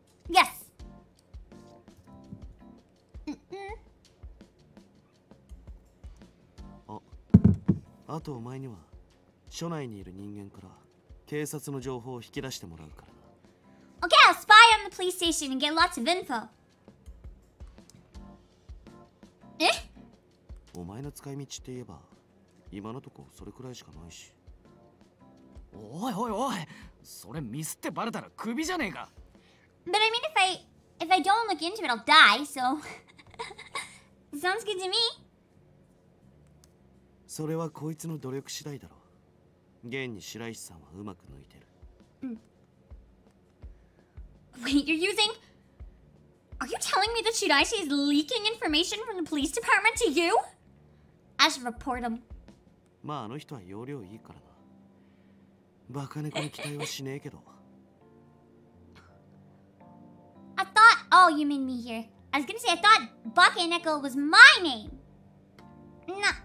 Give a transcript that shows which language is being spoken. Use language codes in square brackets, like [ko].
[en] Yes. [ja] あ、あとお前には署内にいる人間から警察の情報を引き出してもらうから。 [en] Okay, I'll spy on the police station and get lots of info. え？ [ja] お前の使い道って言えば今のとこそれくらいしかないし。おいおいおい、それミスってバレたらクビじゃねえか。 [en] But I mean if I don't look into it I'll die, so sounds good to me。 [ja] それはこいつの努力次第だろ。現に白石さんはうまく抜いてる。 [en] Wait, you're using... Are you telling me that Shiraishi is leaking information from the police department to you? I should report him. [ja] まあ、あの人は容量いいからな。バカ猫に期待はしねえけど。 [en] I thought... Oh, you mean me here. I was gonna say, I thought バカ猫 was my name. No.